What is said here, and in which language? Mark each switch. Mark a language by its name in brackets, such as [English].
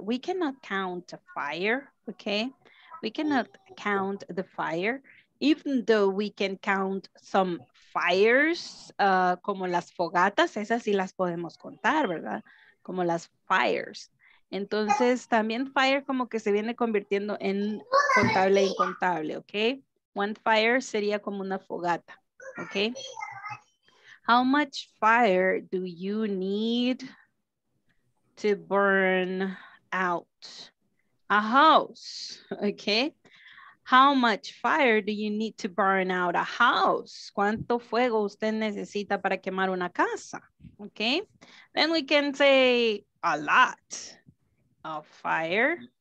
[English] We cannot count a fire, okay? We cannot count the fire, even though we can count some fires, [Spanish] como las fogatas, esas sí las podemos contar, ¿verdad? Como las fires. Entonces, también fire como que se viene convirtiendo en contable e incontable, okay? [English] One fire [Spanish] sería como una fogata, okay? [English] How much fire do you need to burn out a house, okay? How much fire do you need to burn out a house? [Spanish] ¿Cuánto fuego usted necesita para quemar una casa? [English] Okay, then we can say a lot of fire.